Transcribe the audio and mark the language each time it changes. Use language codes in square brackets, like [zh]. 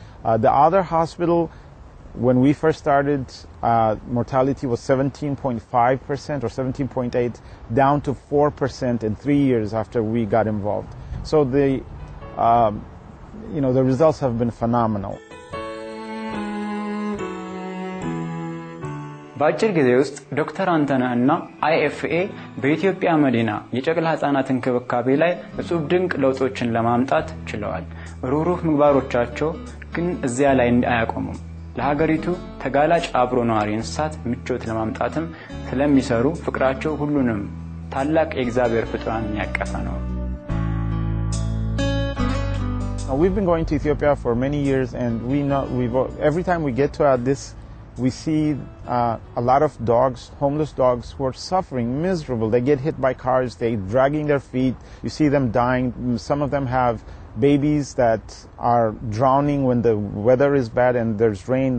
[en] The other hospital, when we first started, mortality was 17.5% or 17.8, down to 4% in 3 years after we got involved. So the, you know, the results have been phenomenal. [am] ባጭር ጊዜ ውስጥ ዶክተር አንተነህ እና አይኤፍኤ በኢትዮጵያ መዲና የጨቅላ ህፃናት እንክብካቤ ላይ እጹብ ድንቅ ለውጦችን ለማምጣት ችለዋል። ሩህሩህ ምግባሮቻቸው ግን እዚያ ላይ አያቆሙም። ለሀገሪቱ ተጋላጭ አብሮ ነዋሪ እንስሳት ምቾት ለማምጣትም ስለሚሰሩ ፍቅራቸው ሁሉንም ታላቅ የእግዚአብሔር ፍጡራን ያቀፈ ነው። [en] We've been going to Ethiopia for many years, and we know every time we get to Addis, we see a lot of dogs, homeless dogs, who are suffering, miserable. They get hit by cars, they're dragging their feet. You see them dying. Some of them have babies that are drowning when the weather is bad and there's rain.